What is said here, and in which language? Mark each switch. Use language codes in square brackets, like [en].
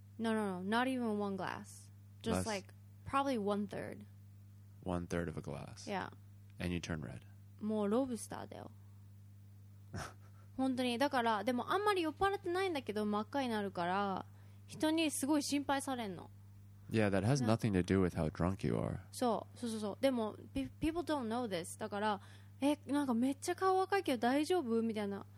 [en] No. Not even one glass. Just Less, like probably 1/3. 1/3 of a glass. Yeah. And you turn red. [ja] もうロブスターだよ。本当にだからでもあんまり酔っ払ってないんだけど真っ赤になるから人にすごい心配されんの。 [en] Yeah, that has nothing to do with how drunk you are. [ja] そう。でも、 [en] people don't know this. [ja] だから、なんかめっちゃ顔赤いけど大丈夫みたいな。